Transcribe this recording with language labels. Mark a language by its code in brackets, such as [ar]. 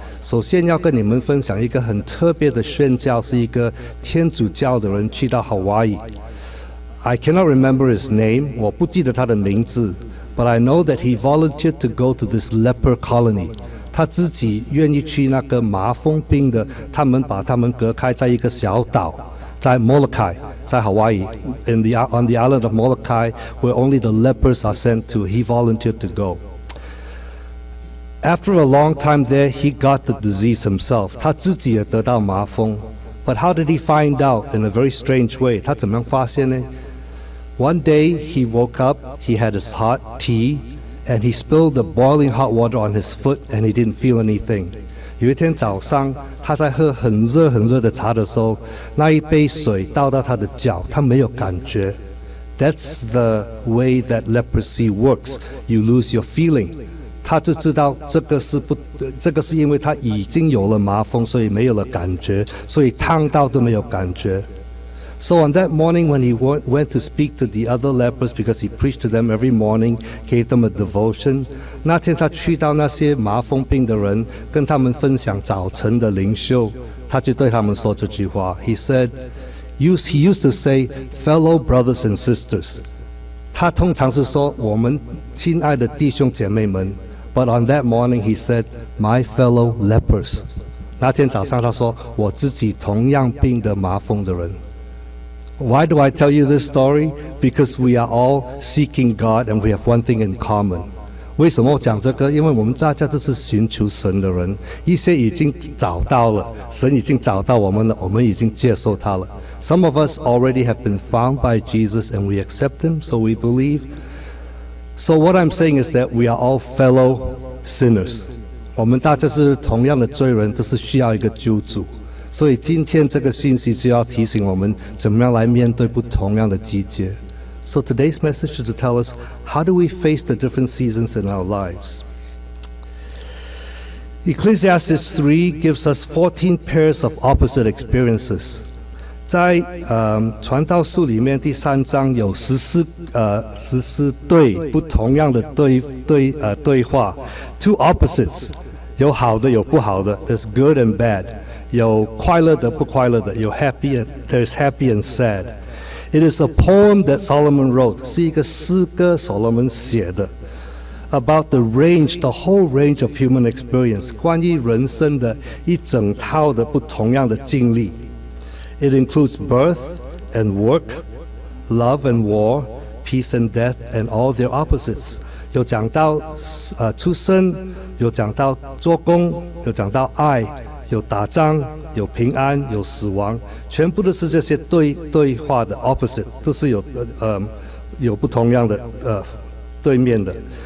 [zh] 首先要跟你们分享一个很特别的宣教，是一个天主教的人去到 Hawaii。 [en] I cannot remember his name, [zh] 我不记得他的名字, [en] but I know that he volunteered to go to this leper colony. [zh] 他自己愿意去那个麻风病的, 他们把他们隔开在一个小岛, 在 Molokai, 在 Hawaii, [en] on the island of Molokai, where only the lepers are sent to, he volunteered to go. After a long time there, he got the disease himself. [zh] 他自己也得到麻风。 [en] But how did he find out in a very strange way? [zh] 他怎么样发现呢? [en] One day he woke up, he had his hot tea, and he spilled the boiling hot water on his foot and he didn't feel anything. [zh] 有一天早上他在喝很热很热的茶的时候，那一杯水倒到他的脚，他没有感觉。 [en] That's the way that leprosy works. You lose your feeling. [zh] 他就知道这个是因为他已经有了麻风，所以没有了感觉，所以烫到都没有感觉。 [en] So on that morning when he went to speak to the other lepers, because he preached to them every morning, gave them a devotion, [zh] 那天他去到那些麻风病的人，跟他们分享早晨的灵修，他就对他们说这句话。 [en] He used to say, fellow brothers and sisters, [zh] 他通常是说我们亲爱的弟兄姐妹们。 [en] But on that morning, he said, my fellow lepers. [zh] 那天早上他说，我自己同样病得麻风的人。 [en] Why do I tell you this story? Because we are all seeking God and we have one thing in common. [zh] 为什么我讲这个？因为我们大家都是寻求神的人。一些已经找到了，神已经找到我们了，我们已经接受他了。 [en] Some of us already have been found by Jesus and we accept him, so we believe. So what I'm saying is that we are all fellow sinners. [zh] 我们大家是同样的罪人，都是需要一个救主。所以今天这个信息就要提醒我们怎么样来面对不同样的季节。 [en] So today's message is to tell us, how do we face the different seasons in our lives? Ecclesiastes 3 gives us 14 pairs of opposite experiences. [zh] 在传道书里面第三章有十四对不同样的对话 ， [en] two opposites， [zh] 有好的有不好的 ， [en] there's good and bad， [zh] 有快乐的不快乐的，有 [en] happy and there's happy and sad。 It is a poem that Solomon wrote， [zh] 是一个诗歌 Solomon 写的 [en] ，about the range， the whole range of human experience， [zh] 关于人生的一整套的不同样的经历。 [en] It includes birth and work, love and war, peace and death, and all their opposites. [zh] 有讲到出生，有讲到做工，有讲到爱，有打仗，有平安，有死亡，全部都是这些对话的 opposite， 都是有不同样的对面的。